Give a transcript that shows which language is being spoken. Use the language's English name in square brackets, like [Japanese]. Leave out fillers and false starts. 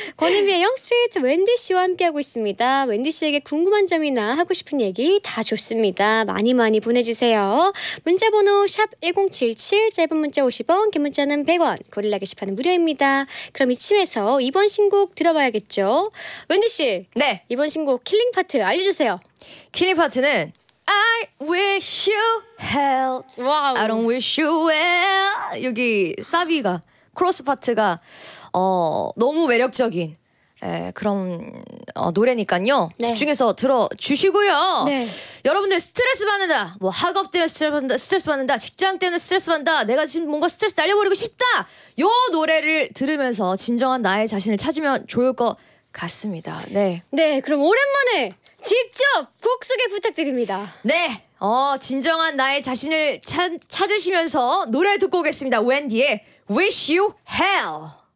[Korean] 권은비의 영스트리트 웬디 씨와 함께하고 있습니다. 웬디 씨에게 궁금한 점이나 하고 싶은 얘기 다 좋습니다. 많이 많이 보내주세요. 문자번호 샵 1077, 짧은 문자 50원, 긴 문자는 100원, 고릴라 게시판은 무료입니다. 그럼 이쯤에서 이번 신곡 들어봐야겠죠. 웬디 씨, 네, 이번 신곡 킬링 파트 알려주세요. 킬링 파트는 [English] I wish you hell. Wow. I don't wish you well. [Korean] 여기 사비가 크로스 파트가 너무 매력적인 그런 노래니까요. 네. 집중해서 들어주시고요. 네. 여러분들 스트레스 받는다. 뭐 학업 때문에 스트레스 받는다. 직장 때문에 스트레스 받는다. 내가 지금 뭔가 스트레스 날려버리고 싶다. 요 노래를 들으면서 진정한 나의 자신을 찾으면 좋을 것 같습니다. 네. 네. 그럼 오랜만에. 직접 곡 소개 부탁드립니다. 네. 진정한 나의 자신을 찾으시면서 노래 듣고 오겠습니다. 웬디의 Wish You Hell.